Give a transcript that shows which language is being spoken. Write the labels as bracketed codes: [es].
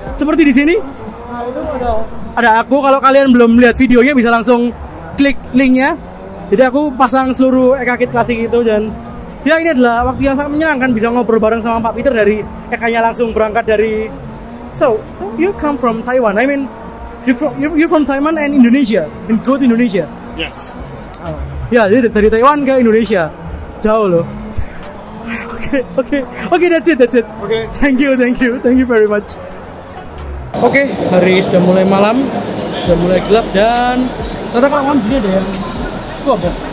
[id] Seperti di sini. Nah, itu ada aku. Kalau kalian belum lihat videonya, bisa langsung klik linknya. Jadi aku pasang seluruh Eka Kit Classic itu, dan ya ini adalah waktu yang sangat menyenangkan bisa ngobrol bareng sama Pak Peter dari Eka-nya langsung berangkat dari. [en] So you come from Taiwan? I mean, you from Taiwan and Indonesia and go to Indonesia? Yes. Oh. [id] Ya, jadi dari Taiwan ke Indonesia jauh loh. [en] Okay, that's it. Okay. Thank you very much. [id] Okay, hari sudah mulai malam, sudah mulai gelap, dan ternyata kalau malam dia ada yang itu apa?